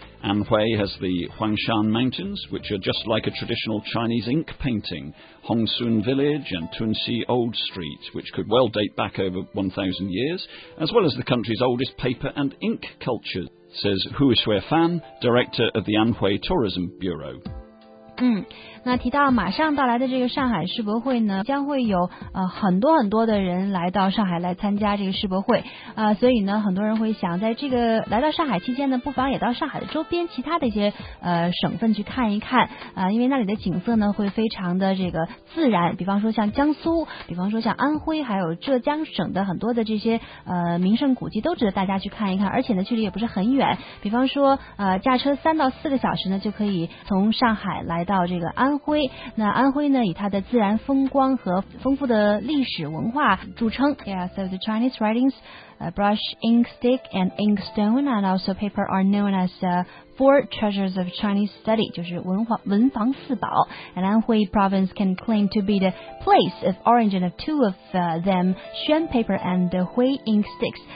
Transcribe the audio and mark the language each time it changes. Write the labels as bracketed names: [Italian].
[English] Anhui has the Huangshan Mountains, which are just like a traditional Chinese ink painting, Hongsun Village and Tunxi Old Street, which could well date back over 1,000 years, as well as the country's oldest paper and ink culture, says Hu Xuefan, director of the Anhui Tourism Bureau. [Chinese] 那提到马上到来的这个上海世博会呢，将会有很多很多的人来到上海来参加这个世博会，所以呢，很多人会想在这个来到上海期间呢，不妨也到上海的周边其他的一些省份去看一看，因为那里的景色呢会非常的这个自然，比方说像江苏，比方说像安徽，还有浙江省的很多的这些名胜古迹都值得大家去看一看，而且呢距离也不是很远，比方说驾车3到4个小时呢就可以从上海来到这个安徽，那安徽呢，以它的自然风光和丰富的历史文化著称。 [English] Yeah, so the Chinese writings, brush, ink stick, and ink stone, and also paper are known as four treasures of Chinese study, [Chinese] 就是文房四宝。 [English] And Anhui province can claim to be the place of origin of two of them, Xuan paper and the Hui ink sticks.